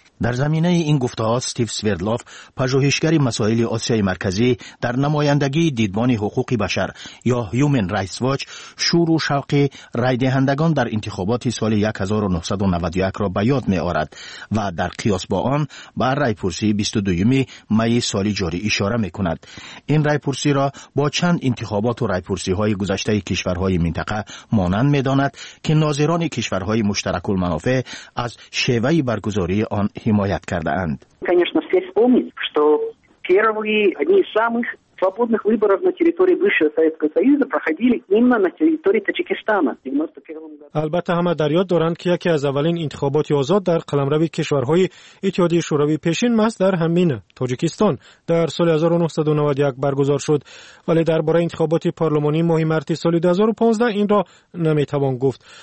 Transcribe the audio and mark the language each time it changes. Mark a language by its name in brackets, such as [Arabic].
[Persian] در زمینه این گفته ها استیو سویردلوف، پژوهشگر مسائل آسیای مرکزی در نمایندگی دیدبان حقوق بشر یا Human Rights Watch، شور و شوق رای دهندگان در انتخابات سال 1991 را به یاد می آورد و در قیاس با آن به رای پرسی 22 می سال جاری اشاره می کند. این رای پرسی را با چند انتخابات و رای پرسی های گذشته کشورهای منطقه مانند می داند که ناظران کشورهای مشترک المنافع از شیوه برگزاری آن حمایت کرده اند. [Russian] Конечно, все вспомнят, что первые одни из самых свободных выборов на территории бывшего Советского Союза проходили именно на территории Таджикистана. [Persian] البته همه در یاد دارند که یکی از اولین انتخابات آزاد در قلمرو کشورهای اتحادیه شوروی پیشین ماست در همین تاجیکستان در سال 1991 برگزار شد، ولی درباره انتخابات پارلمانی ماه مارس سال 2015 این را نمیتوان گفت.